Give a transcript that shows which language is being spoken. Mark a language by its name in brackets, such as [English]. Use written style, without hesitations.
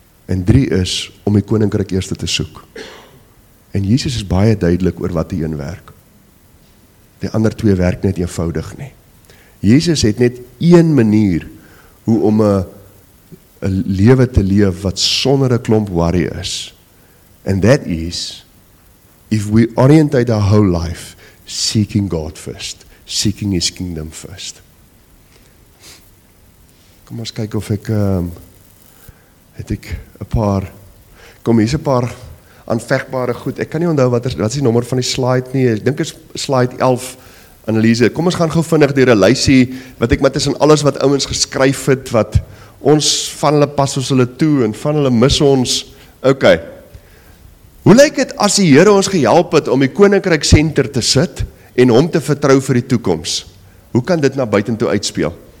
[Afrikaans] En drie is om die koninkryk eerste te soek. En Jesus is baie duidelik oor wat die een werk. Die ander twee werk net eenvoudig nie. Jesus het net een manier hoe om 'n lewe te leef wat sonder 'n klomp worry is. [English] And that is, if we orientate our whole life seeking God first, seeking his kingdom first. [Afrikaans] Kom ons kyk of ek, hier's 'n paar aanvegbare goed, ek kan nie onthou wat is die nommer van die slide nie, ek dink is slide 11 analise, kom ons gaan gauw vinnig deur 'n lysie, wat ek met is in alles wat ouens geskryf het, wat ons van hulle pas ons hulle toe, en van hulle mis ons, ok, hoe lyk het as die Here ons gehelp het, om die koninkryk center te sit, en hom te vertrou vir die toekoms, hoe kan dit na buiten toe uitspeel?